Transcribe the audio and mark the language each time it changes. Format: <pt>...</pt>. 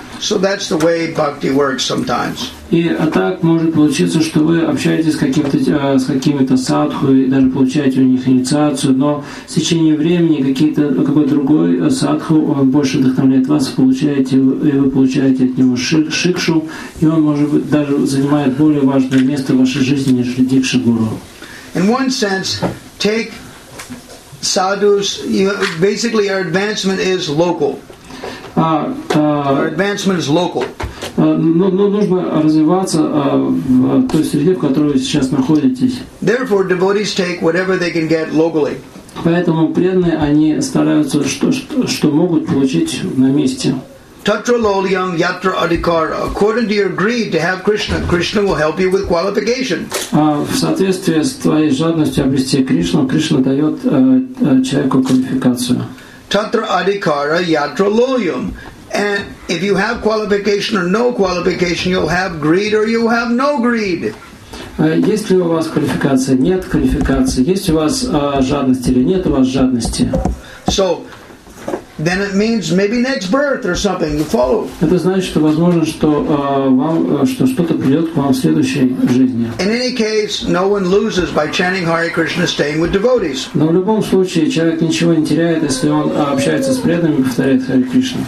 <en>So that's the way bhakti works sometimes.</en> <ru>И так может получиться, что вы общаетесь с какими-то садху и даже получаете у них инициацию, но с течением времени какой-то другой садху он больше вдохновляет вас, вы получаете от него шикшу, и он может быть даже занимает более важное место в вашей жизни, нежели дикша гуру.</ru> <en>In one sense, take sadhus, basically our advancement is local. Our advancement is local.</en> <ru>Но нужно развиваться в той среде, в которой вы сейчас находитесь.</ru> <en>Therefore, devotees take whatever they can get locally.</en> <ru>Поэтому преданные они стараются что могут получить на месте.</ru> <sa>Tatra lolyam yatra adhikara.</sa> <en>According to your greed to have Krishna, Krishna will help you with qualification.</en> <ru>В соответствии с твоей жадностью обрести Кришну, Кришна дает человеку квалификацию.</ru> <sa>Tatra adhikara yatra lolyam.</sa> <en>And if you have qualification or no qualification, you'll have greed or you'll have no greed.</en> <ru>Есть ли у вас квалификация? Нет квалификации. Есть у вас жадность или нет у вас жадности?</ru> <en>So, then it means maybe next birth or something. You follow?</en> <ru>Это значит, что возможно, что вам что что-то придет к вам в следующей жизни.</ru> <en>In any case, no one loses by chanting Hare Krishna, staying with devotees.</en> <ru>Но в любом случае человек ничего не теряет, если он общается с преданными и повторяет Hare Krishna.</ru>